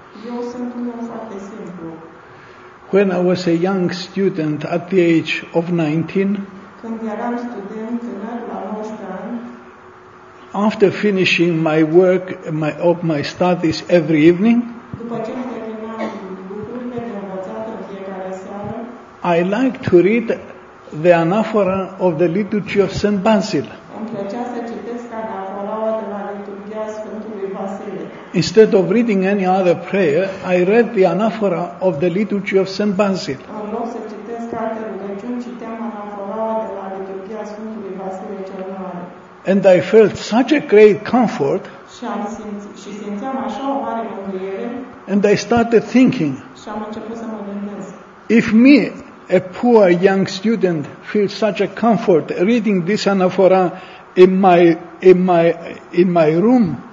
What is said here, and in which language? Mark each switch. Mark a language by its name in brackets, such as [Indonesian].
[Romanian] Eu sunt un om foarte simplu. [English] When I was a young student at the age of 19, [Romanian] când eram student tânăr la 19 ani, [English] after finishing my work, my studies every evening, [Romanian] după ce am terminat lucrurile de învățat în fiecare seară, [English] I like to read the anaphora of the liturgy of Saint Basil. [Romanian] Îmi plăcea să citesc anaforaua de la liturgia Sfântului Vasile. [English] Instead of reading any other prayer, I read the anaphora of the liturgy of Saint Basil. [Romanian] În loc să citesc alte rugăciuni, citeam anaforaua de la liturgia Sfântului Vasile cel Mare. [English] And I felt such a great comfort. [Romanian] Și simțeam așa o mare mângâiere. [English] And I started thinking. [Romanian] Și am început să mă gândesc. [English] If me, a poor young student, feels such a comfort reading this anaphora in my room.